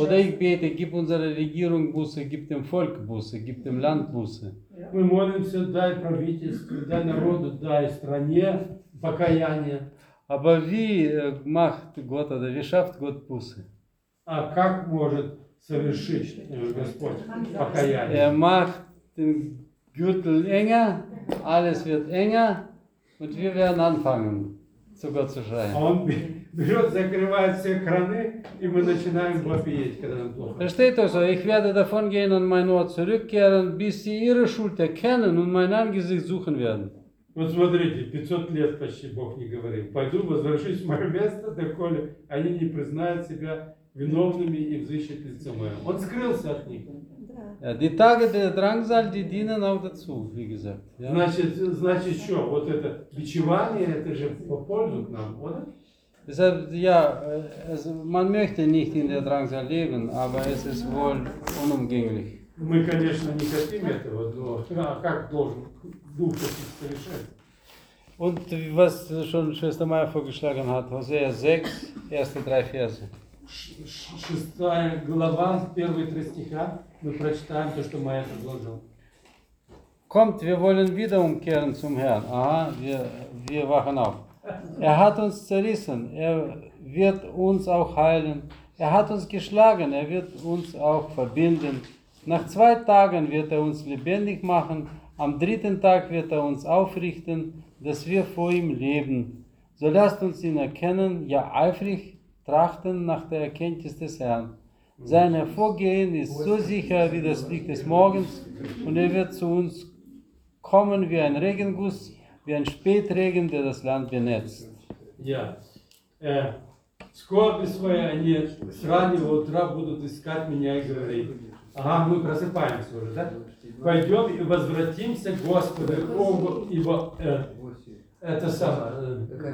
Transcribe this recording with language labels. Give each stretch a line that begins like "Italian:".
German: Oder ich bete, gib unserer Regierung Buße, gib dem Volk Buße, gib dem Land Buße.
Russian: Мы молимся, дай правительству, дай народу, дай стране покаяние.
German: Aber wie macht Gott oder wie schafft Gott Buße?
Russian: А как может совершить Господь покаяние?
German: Er macht den Gürtel enger, alles wird enger und wir werden anfangen, zu Gott zu schreien.
Russian: Берет, закрывает все краны, и мы начинаем вопиять, когда нам плохо.
German: Versteht also, ich werde davon gehen und mein Ort zurückkehren, bis sie ihre Schuld erkennen und mein Angesicht suchen werden.
Russian: Вот смотрите, 500 лет почти Бог не говорил. Пойду, возвращусь в мое место, доколе они не признают себя виновными и взыщут лицо мое. Он скрылся от них.
German: Ja, die Tage der Drangsal, die dienen auch dazu, wie gesagt. Ja.
Russian: Значит, что, вот это бичевание, это же по пользу к нам, oder?
German: Deshalb, ja, also man möchte nicht in der Drangsal leben, aber es ist wohl unumgänglich.
Russian: Мы, конечно, не хотим этого, но как должен Дух это решать?
German: Und was schon Schwester Maya vorgeschlagen hat, Hosea 6, erste drei Verse.
Russian: Шестая глава, первые три стиха, мы прочитаем то, что Майя предложил.
German: Kommt, wir wollen wieder umkehren zum Herrn. Aha, wir wachen auf. Hat uns zerrissen, wird uns auch heilen. Hat uns geschlagen, wird uns auch verbinden. Nach zwei Tagen wird uns lebendig machen. Am dritten Tag wird uns aufrichten, dass wir vor ihm leben. So lasst uns ihn erkennen, ja eifrig trachten nach der Erkenntnis des Herrn. Sein Hervorgehen ist so sicher wie das Licht des Morgens und wird zu uns kommen wie ein Regenguss, wie ein Spätregen, der das Land benetzt.
Russian: Ja, скорби свои они с раннего утра будут искать меня и говорить. Ага, мы просыпаемся уже, да? Пойдем и возвратимся к Господу, Богу, ибо это самое.